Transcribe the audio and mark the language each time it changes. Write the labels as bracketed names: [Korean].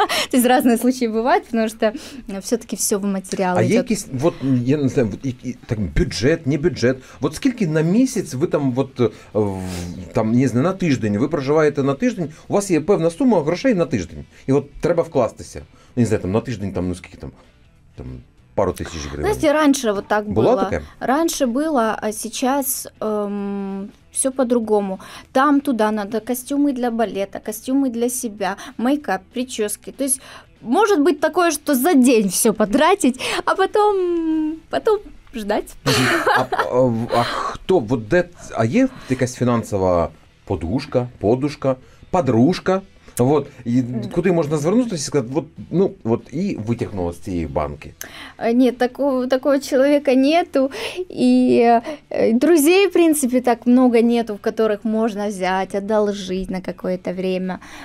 [Russian] То есть разные случаи бывают, потому что все-таки все в материалы идет. А есть, вот, я не знаю, так, бюджет, не бюджет. Вот сколько на месяц вы там, вот, там, не знаю, на тиждень, вы проживаете на тиждень, [Ukrainian] у вас є певна сума грошей на тиждень. І от треба вкластися. Не знаю, там на тиждень там, ну скільки там, там пару тисяч гривень. Знаєте, раніше вот так було. Було таке? Раніше було, [Russian] а сейчас все по-другому. Там туда надо костюмы для балета, костюмы для себя, мейкап, причёски. То есть может быть такое, что за день все потратить, а потом ждать. [Ukrainian] А хто вот де, а є якась фінансова подушка, подушка? [Russian] Подружка, вот, и куда можно звернутися и сказать, вот, ну, вот, и вытягнула с цієї банки. Нет, такого человека нету, и друзей, в принципе, так много нету, в которых можно взять, одолжить на какое-то время.